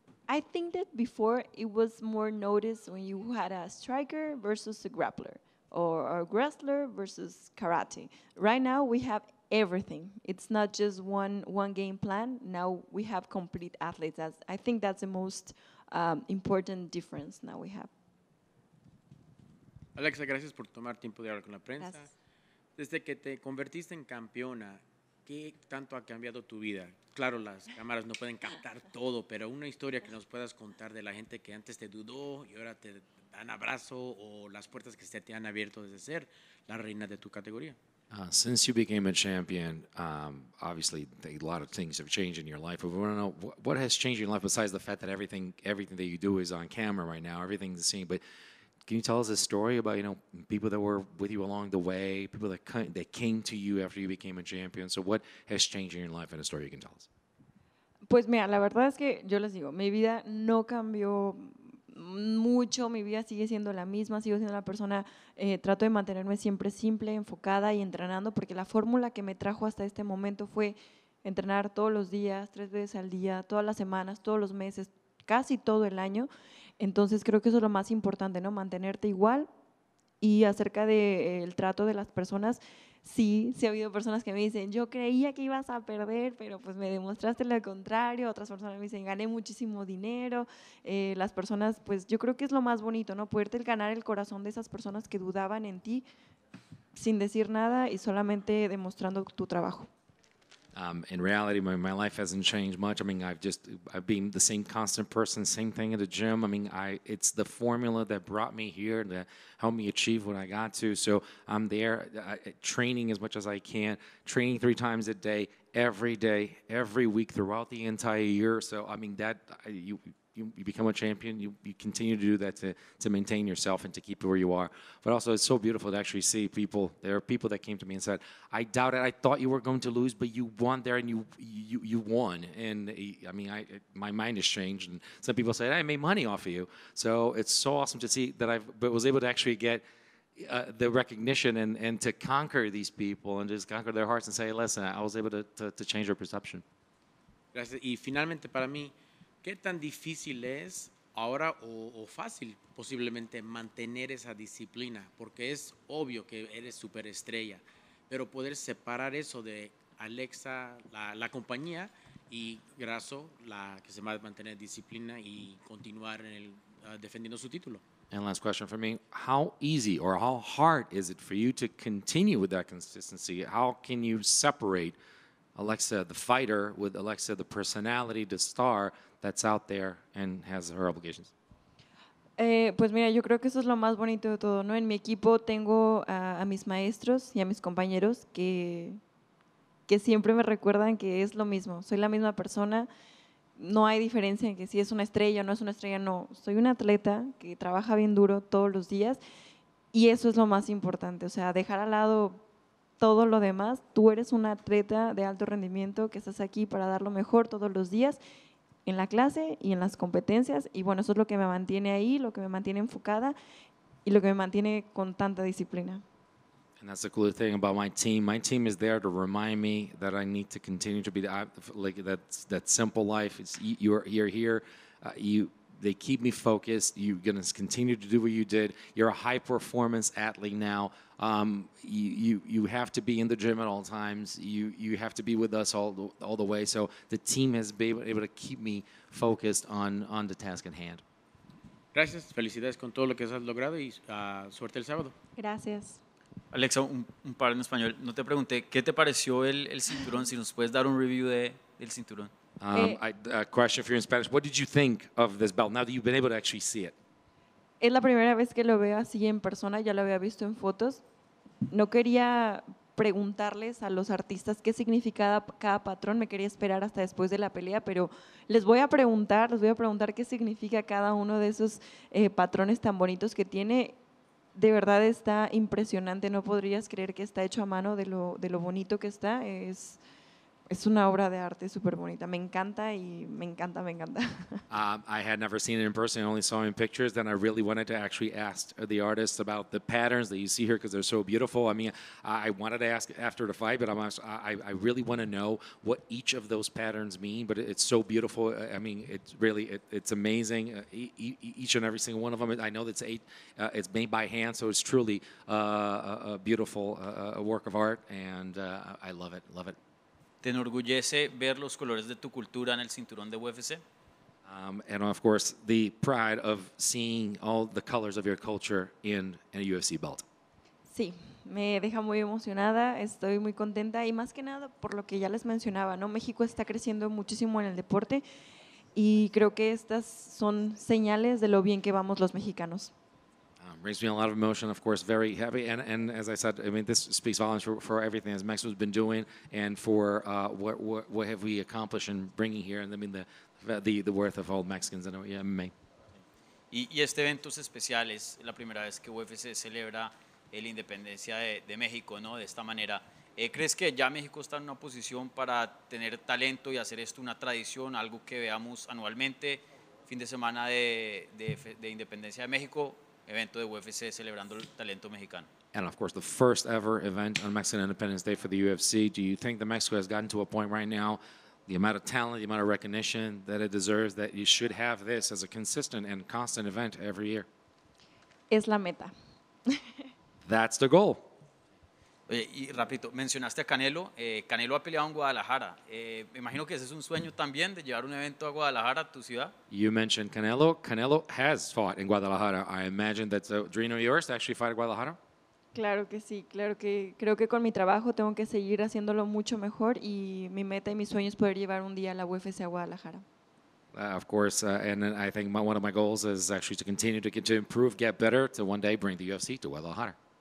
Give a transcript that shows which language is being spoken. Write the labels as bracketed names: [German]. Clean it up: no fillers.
[English] I think that before it was more noticed when you had a striker versus a grappler or a wrestler versus karate. Right now we have everything. It's not just one game plan. Now we have complete athletes. I think that's the most important difference now we have. [Spanish] Alexa, gracias por tomar tiempo de hablar con la prensa. Desde que te convertiste en campeona, ¿qué tanto ha cambiado tu vida? Claro, las cámaras no pueden captar todo, pero una historia que nos puedas contar de la gente que antes te dudó y ahora te dan abrazo, o las puertas que se te han abierto desde ser la reina de tu categoría. [English] Since you became a champion, obviously a lot of things have changed in your life. But we want to know what has changed in your life besides the fact that everything that you do is on camera right now, everything's the same. But can you tell us a story about, you know, people that were with you along the way, people that came to you after you became a champion? So what has changed in your life, and a story you can tell us? [Spanish] Pues mira, la verdad es que yo les digo, mi vida no cambió mucho, mi vida sigue siendo la misma, sigo siendo la persona, trato de mantenerme siempre simple, enfocada y entrenando, porque la fórmula que me trajo hasta este momento fue entrenar todos los días, 3 veces al día, todas las semanas, todos los meses, casi todo el año. Entonces creo que eso es lo más importante, ¿no? Mantenerte igual. Y acerca del trato de las personas, sí ha habido personas que me dicen, yo creía que ibas a perder, pero pues me demostraste lo contrario. Otras personas me dicen, gané muchísimo dinero. Las personas, pues yo creo que es lo más bonito, ¿no? Poderte ganar el corazón de esas personas que dudaban en ti sin decir nada y solamente demostrando tu trabajo. [English] In reality, my life hasn't changed much. I mean, I've been the same constant person, same thing at the gym. I mean, it's the formula that brought me here, that helped me achieve what I got to. So I'm there training as much as I can, training 3 times a day, every day, every week, throughout the entire year. So, I mean, that you become a champion, you continue to do that to maintain yourself and to keep where you are. But also, it's so beautiful to actually see people. There are people that came to me and said, I doubted it. I thought you were going to lose, but you won there, and you won. And, I mean, my mind has changed. And some people said, I made money off of you. So it's so awesome to see that I was able to actually get the recognition and to conquer these people and just conquer their hearts and say, listen, I was able to change their perception. [Spanish] Gracias. Y finalmente para mí, ¿qué tan difícil es ahora o fácil posiblemente mantener esa disciplina? Porque es obvio que eres superestrella, pero poder separar eso de Alexa, la compañía, y Grasso, la que se va a mantener disciplina y continuar en defendiendo su título. [English] And last question for me, how easy or how hard is it for you to continue with that consistency? How can you separate Alexa, the fighter, with Alexa, the personality, the star, that's out there and has her obligations? [Spanish] Pues mira, yo creo que eso es lo más bonito de todo, ¿no? En mi equipo tengo a mis maestros y a mis compañeros que siempre me recuerdan que es lo mismo. Soy la misma persona. No hay diferencia en que si es una estrella o no es una estrella, no. Soy una atleta que trabaja bien duro todos los días y eso es lo más importante. O sea, dejar al lado todo lo demás. Tú eres una atleta de alto rendimiento que estás aquí para dar lo mejor todos los días, en la clase y en las competencias, y bueno, eso es lo que me mantiene ahí, lo que me mantiene enfocada y lo que me mantiene con tanta disciplina. [English] And that's the cool thing about my team. My team is there to remind me that I need to continue to be like that simple life. It's you're here. They keep me focused. You're going to continue to do what you did. You're a high performance athlete now. You have to be in the gym at all times. You have to be with us all the way. So the team has been able to keep me focused on the task at hand. [Spanish] Gracias. Felicidades con todo lo que has logrado y suerte el sábado. Gracias. Alexa, un par en español. No te pregunté, ¿qué te pareció el cinturón? Si nos puedes dar un review del cinturón. [English] A question for you in Spanish. What did you think of this belt now that you've been able to actually see it? [Spanish] Es la primera vez que lo veo así en persona, ya lo había visto en fotos. No quería preguntarles a los artistas qué significaba cada patrón, me quería esperar hasta después de la pelea, pero les voy a preguntar qué significa cada uno de esos patrones tan bonitos que tiene. De verdad está impresionante, no podrías creer que está hecho a mano de lo bonito que está. Es una obra de arte súper bonita. Me encanta y me encanta, me encanta. [English] I had never seen it in person. I only saw it in pictures. Then I really wanted to actually ask the artist about the patterns that you see here because they're so beautiful. I mean, I wanted to ask after the fight, but I really want to know what each of those patterns mean. But it's so beautiful. I mean, it's really, it's amazing. Each and every single one of them. I know it's eight. It's made by hand, so it's truly a beautiful work of art. And I love it. Love it. [Spanish] ¿Te enorgullece ver los colores de tu cultura en el cinturón de UFC? [English] And of course, the pride of seeing all the colors of your culture in a UFC belt. [Spanish] Sí, me deja muy emocionada, estoy muy contenta y más que nada por lo que ya les mencionaba, ¿no? México está creciendo muchísimo en el deporte y creo que estas son señales de lo bien que vamos los mexicanos. [English] Brings me a lot of emotion, of course, very happy. And as I said, I mean, this speaks volumes for everything as Mexico's been doing and for what have we accomplished in bringing here, and I mean the worth of all Mexicans and MMA. [Spanish] Y este evento es especial, es la primera vez que UFC celebra la independencia de México, ¿no? De esta manera. ¿Crees que ya México está en una posición para tener talento y hacer esto una tradición, algo que veamos anualmente, fin de semana de independencia de México? Evento de UFC celebrando el talento mexicano. [English] And of course, the first ever event on Mexican Independence Day for the UFC. Do you think that Mexico has gotten to a point right now, the amount of talent, the amount of recognition that it deserves, that you should have this as a consistent and constant event every year? [Spanish] Es la meta. [English] That's the goal. [Spanish] Oye, y rapidito, mencionaste a Canelo. Canelo ha peleado en Guadalajara. Me imagino que ese es un sueño también de llevar un evento a Guadalajara, tu ciudad. [English] You mentioned Canelo. Canelo has fought in Guadalajara. I imagine that's a dream of yours to actually fight in Guadalajara. [Spanish] Claro que sí. Claro que creo que con mi trabajo tengo que seguir haciéndolo mucho mejor y mi meta y mi sueño es poder llevar un día la UFC a Guadalajara. [English] Of course, and I think one of my goals is actually to continue to improve, get better, to one day bring the UFC to Guadalajara.